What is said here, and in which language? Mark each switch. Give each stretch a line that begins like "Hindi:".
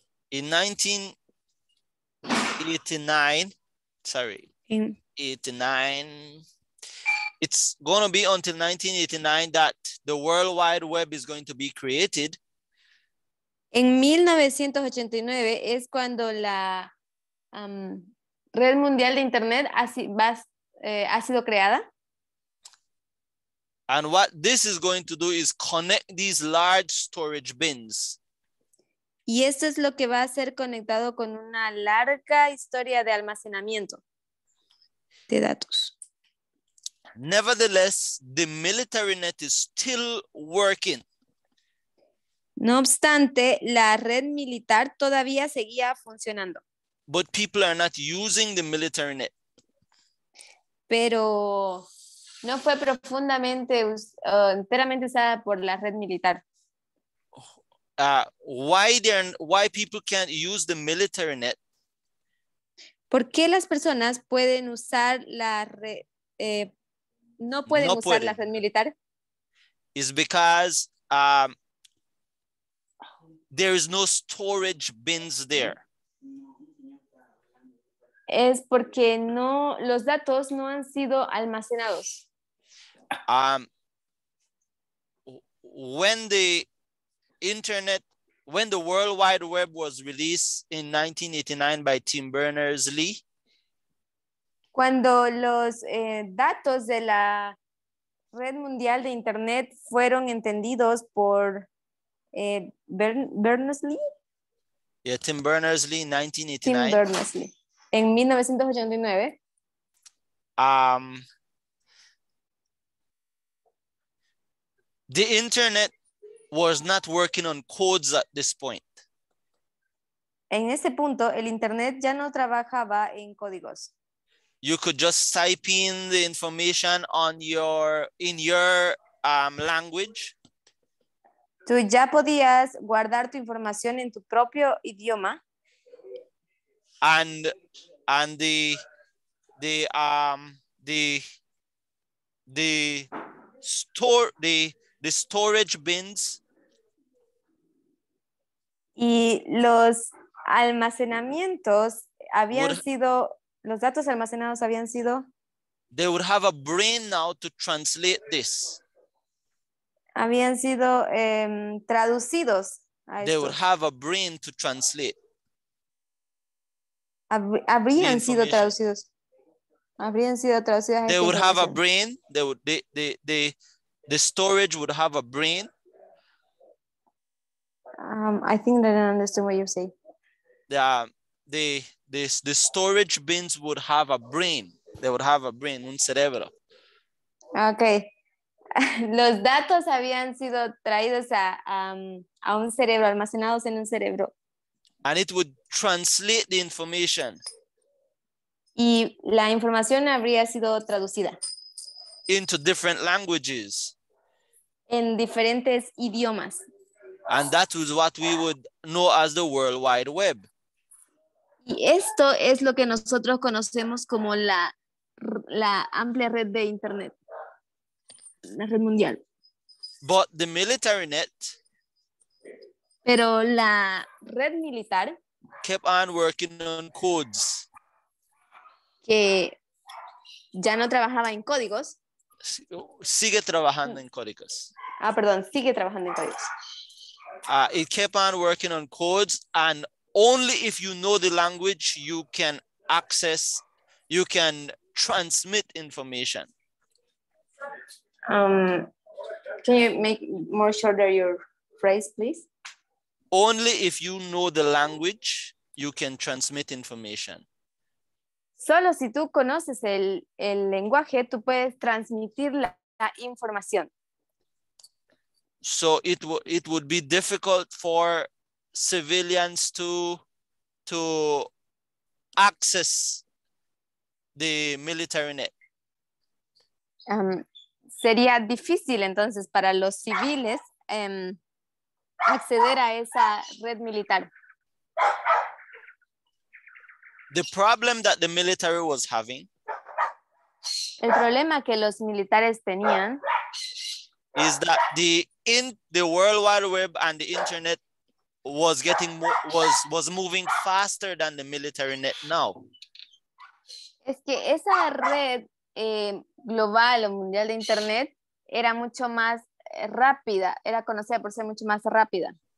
English: In 1989, sorry, it's going to be until 1989 that the World Wide Web is going to be created.
Spanish: En 1989 es cuando la red mundial de internet ha sido creada.
English: And what this is going to do is connect these large storage bins.
Spanish: Y esto es lo que va a ser conectado con una larga historia de almacenamiento de datos.
English: Nevertheless, the military net is still working.
Spanish: No obstante, la red militar todavía seguía funcionando.
English: But people are not using the military net.
Spanish: Pero no fue profundamente, enteramente usada por la red militar.
English: Why people can't use the military net?
Spanish: ¿Por qué las personas pueden usar la red? No pueden usar la red militar.
English: It's because there is no storage bins there.
Spanish: Es porque no, los datos no han sido almacenados.
English: When the World Wide Web was released in 1989 by Tim Berners-Lee.
Spanish: Cuando los datos de la red mundial de internet fueron entendidos por Berners-Lee?
English: Yeah, Tim Berners-Lee in 1989.
Spanish: Tim Berners-Lee. En 1989.
English: The internet was not working on codes at this point.
Spanish: En ese punto, el internet ya no trabajaba en códigos.
English: You could just type in the information on your language.
Spanish: Tú ya podías guardar tu información en tu propio idioma.
English: And the storage bins.
Spanish: Y los almacenamientos habían sido, los datos almacenados habían sido.
English: They would have a brain now to translate this.
Spanish: Habían sido traducidos.
English: They would have a brain to translate.
Spanish: Habrían sido traducidos. Habrían sido traducidas.
English: They would have a brain. They would, the storage would have a brain. I think that I don't understand what you say. The storage bins would have a brain. They would have a brain,
Spanish: un cerebro.
English: Okay.
Spanish: Los datos habían sido traídos a un cerebro, almacenados en un cerebro.
English: And it would translate the information.
Spanish: Y la información habría sido traducida.
English: Into different languages.
Spanish: En diferentes idiomas.
English: And that was what we would know as the World Wide Web.
Spanish: Y esto es lo que nosotros conocemos como la amplia red de internet, la red mundial.
English: But the military net,
Spanish: pero la red militar,
English: kept on working on codes,
Spanish: que ya no trabajaba en códigos, sigue trabajando en códigos. Ah, perdón, sigue trabajando en códigos.
English: It kept on working on codes, and only if you know the language you can access, you can transmit information. Can you make more shorter your phrase, please? Only if you know the language, you can transmit information.
Spanish: Solo si tú conoces el lenguaje, tú puedes transmitir la información.
English: So it would be difficult for civilians to access the military net.
Spanish: Sería difícil entonces para los civiles acceder a esa red militar.
English: The problem that the military was having.
Spanish: El problema que los militares tenían.
English: Is that the World Wide Web and the internet was getting was moving faster than the military net now.
Spanish: Es que esa red global o mundial de internet era mucho más rápida, era conocida por ser mucho más rápida.